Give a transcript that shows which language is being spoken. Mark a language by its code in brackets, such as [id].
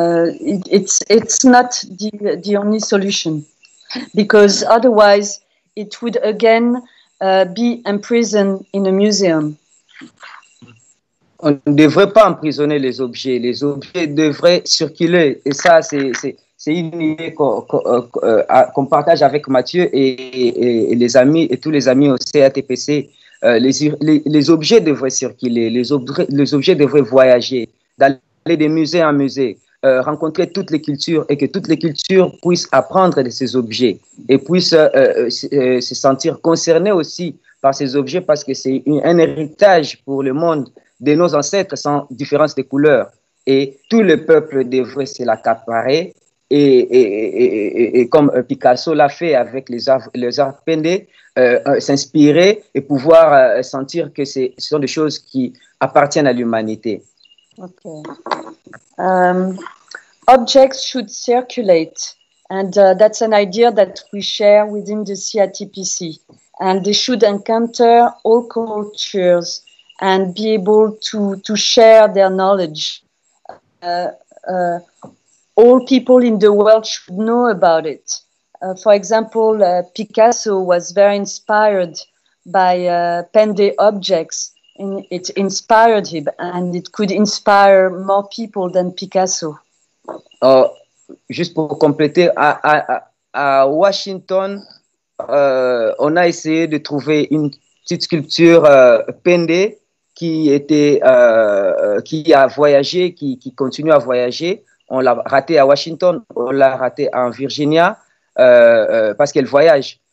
[en] It's not the only solution, because otherwise it would again be imprisoned in a museum. [fr] On ne devrait pas emprisonner les objets devraient circuler, et ça c'est une idée qu'on partage avec Mathieu et les amis et tous les amis au CATPC. Les objets devraient circuler, les objets devraient voyager, d'aller de musée en musée, rencontrer toutes les cultures et que toutes les cultures puissent apprendre de ces objets et puissent se sentir concernées aussi par ces objets parce que c'est un héritage pour le monde de nos ancêtres sans différence de couleur. Et tout le peuple devrait se l'accaparer et comme Picasso l'a fait avec les arts peints, s'inspirer et pouvoir sentir que ce sont des choses qui appartiennent à l'humanité. [en] Ok. Objects should circulate, and that's an idea that we share within the CATPC, and they should encounter all cultures and be able to share their knowledge. All people in the world should know about it. For example, Picasso was very inspired by Pende objects. It inspired him, and it could inspire more people than Picasso. [fr] Juste pour compléter, à Washington, on a essayé de trouver une petite sculpture Pende qui a voyagé, qui continue à voyager. On l'a raté à Washington, on l'a raté en Virginie parce qu'elle voyage.